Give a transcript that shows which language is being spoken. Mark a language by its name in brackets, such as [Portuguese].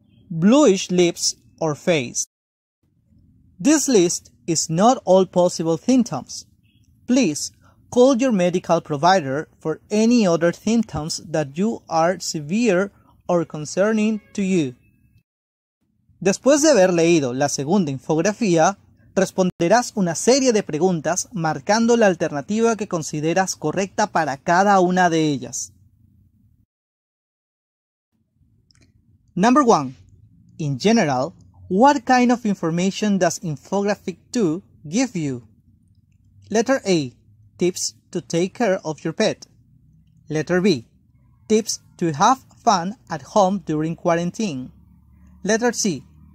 [English] Bluish lips or face. This list is not all possible symptoms. Please call your medical provider for any other symptoms that you are severe or concerning to you. [Spanish] Después de haber leído la segunda infografía, responderás una serie de preguntas marcando la alternativa que consideras correcta para cada una de ellas. [English] Number 1. In general, what kind of information does infographic 2 give you? Letter A. Tips to take care of your pet. Letter B. Tips to have fun at home during quarantine. Letter C.